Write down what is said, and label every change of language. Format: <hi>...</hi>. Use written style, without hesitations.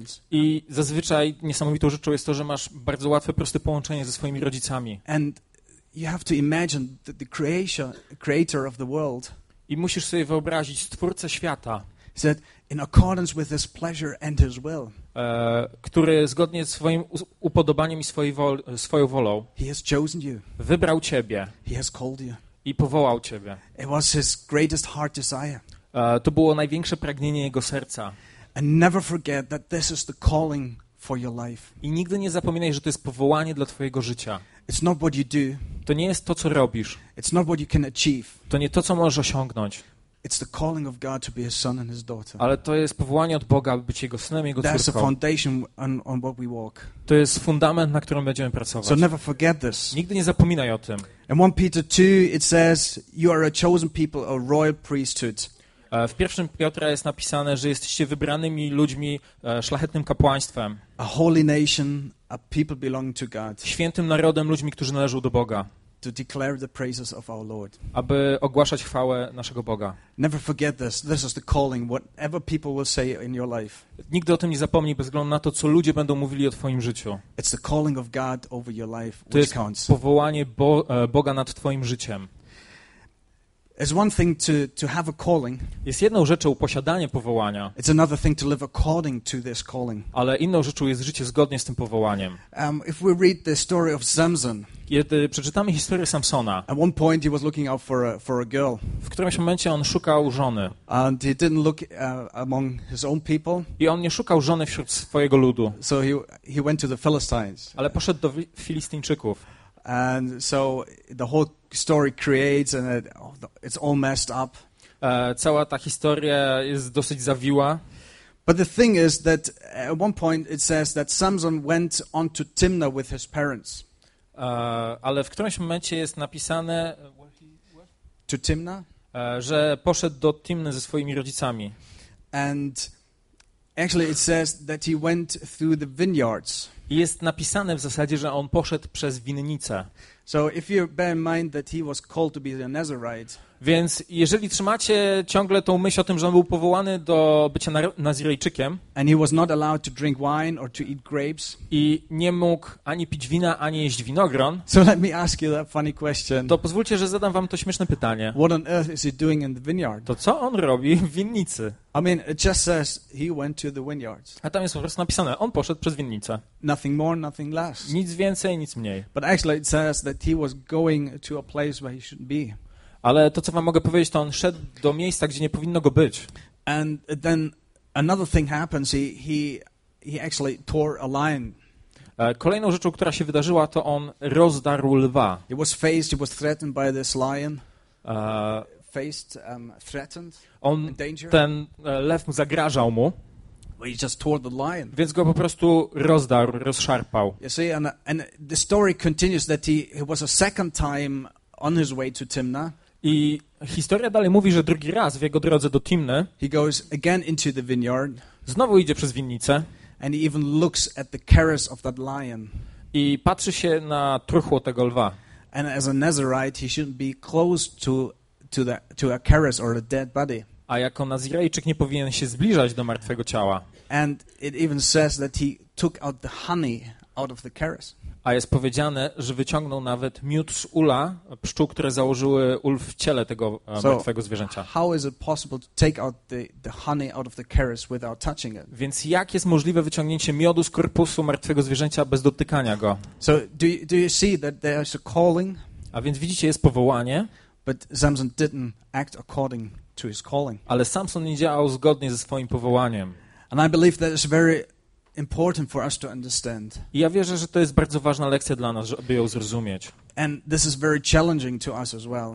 <pl>I zazwyczaj niesamowitą rzeczą jest to, że masz bardzo łatwe, proste połączenie ze swoimi rodzicami.</pl> <en>You have to imagine that the creator of the world.</en> <pl>I musisz sobie wyobrazić stwórcę świata.</pl> <en>Said in accordance with his pleasure and his will.</en> <pl>Który zgodnie z swoim upodobaniem i swoją wolą.</pl> <en>He has chosen you.</en> <pl>Wybrał ciebie.</pl> <en>He has called you.</en> <pl>I powołał ciebie.</pl> <en>It was his greatest heart desire.</en> <pl>To było największe pragnienie jego serca.</pl> <en>And never forget that this is the calling for your life.</en> <pl>I nigdy nie zapominaj, że to jest powołanie dla twojego życia.</pl> <en>It's not what you do.</en> <pl>To nie jest to, co robisz.</pl> <en>It's not what you can achieve.</en> <pl>To nie to, co możesz osiągnąć.</pl> <en>It's the calling of God to be his son and his daughter.</en> <pl>Ale to jest powołanie od Boga, aby być jego synem i jego</pl> <en>That's</en> <pl>córką.</pl> <en>A foundation on what we walk.</en> <pl>To jest fundament, na którym będziemy pracować.</pl> <en>So never forget this.</en> <pl>Nigdy nie zapominaj o tym.</pl> <en>In 1 Peter 2 it says you are a chosen people, a royal priesthood.</en> <pl>W pierwszym Piotra jest napisane, że jesteście wybranymi ludźmi, szlachetnym kapłaństwem.</pl> <en>A holy nation, a people belonging to God.</en> <pl>Świętym narodem, ludźmi, którzy należą do Boga.</pl> <en>To declare the praises of our Lord.</en> <pl>Aby ogłaszać chwałę naszego Boga.</pl> <en>Never forget this. This is the calling, whatever people will say in your life.</en> <pl>Nigdy o tym nie zapomnij, bez względu na to, co ludzie będą mówili o twoim życiu.</pl> <en>It's the calling of God over your life,</en> <pl>to jest</pl> <en>counts.</en> <pl>Powołanie Boga nad twoim życiem.</pl> <en>It's one thing to have a calling.</en> <pl>Jest jedną rzeczą posiadanie powołania.</pl> <en>It's another thing to live according to this calling.</en> <pl>Ale inną rzeczą jest życie zgodnie z tym powołaniem.</pl> <en>If we read the story of Samson.</en> <pl>Kiedy przeczytamy historię Samsona.</pl> <en>At one point he was looking out for a girl.</en> <pl>W którymś momencie on szukał żony.</pl> <en>And he didn't look among his own people.</en> <pl>I on nie szukał żony wśród swojego ludu.</pl> <en>So he went to the Philistines.</en> <pl>Ale poszedł do Filistyńczyków.</pl> <en>And so the whole story creates and it's all messed up.</en> <pl>Cała ta historia jest dosyć zawiła.</pl> <en>But the thing is that at one point it says that Samson went on to Timna with his parents.</en> <pl>Ale w którymś momencie jest napisane</pl> <en>to Timna,</en> <pl>że poszedł do Timny ze swoimi rodzicami.</pl> <en>And actually it says that he went through the vineyards.</en> <pl>I jest napisane w zasadzie, że on poszedł przez winnicę.</pl> <en>So if you bear in mind that he was called to be a Nazarite.</en> <pl>Więc jeżeli trzymacie ciągle tą myśl o tym, że on był powołany do bycia Nazirejczykiem.</pl> <en>And he was not allowed to drink wine or to eat grapes.</en> <pl>I nie mógł ani pić wina, ani jeść winogron.</pl> <en>So let me ask you that funny question.</en> <pl>To pozwólcie, że zadam wam to śmieszne pytanie.</pl> <en>What on earth is he doing in the vineyard?</en> <pl>To co on robi w winnicy?</pl> <en>I mean, it just says he went to the vineyards.</en> <pl>A tam jest po prostu napisane, on poszedł przez winnicę.</pl> <en>Nothing more, nothing less.</en> <pl>Nic więcej, nic mniej.</pl> <en>But actually it says that he was going to a place where he shouldn't be.</en> <pl>Ale to, co wam mogę powiedzieć, to on szedł do miejsca, gdzie nie powinno go być.</pl> <en>And then another thing happens. He actually tore a lion.</en> <pl>Kolejną rzeczą, która się wydarzyła, to on rozdarł lwa.</pl> <en>He was faced, he was threatened by this lion. Faced, threatened,</en> <pl>on, ten lew zagrażał mu.</pl> <en>He just tore the lion.</en> <pl>Więc go po prostu rozdarł, rozszarpał.</pl> <en>You see, and the story continues that he was a second time on his way to Timnah.</en> <pl>I historia dalej mówi, że drugi raz w jego drodze do Timne.</pl> <en>He goes again into the vineyard.</en> <pl>Znowu idzie przez winnicę.</pl> <en>And he even looks at the carcass of that lion.</en> <pl>I patrzy się na truchło tego lwa.</pl> <en>And as a Nazirite, he shouldn't be close to a carcass or a dead body.</en> <pl>A jako Nazirejczyk nie powinien się zbliżać do martwego ciała.</pl> <en>And it even says that he took out the honey out of the carcass.</en> <pl>A jest powiedziane, że wyciągnął nawet miód z ula, pszczół, które założyły ul w ciele tego martwego zwierzęcia.</pl> <en>How is it possible to take out the honey out of the carcass without touching it?</en> <pl>Więc jak jest możliwe wyciągnięcie miodu z korpusu martwego zwierzęcia bez dotykania go?</pl> <en>So do you see that there is a calling?</en> <pl>A więc widzicie, jest powołanie.</pl> <en>But Samson didn't act according to his calling.</en> <pl>Ale Samson nie działał zgodnie ze swoim powołaniem.</pl> <en>And I believe that is very important for us to understand.</en> <pl>I ja wierzę, że to jest bardzo ważna lekcja dla nas, żeby ją zrozumieć.</pl> <en>And this is very challenging to us as well.</en>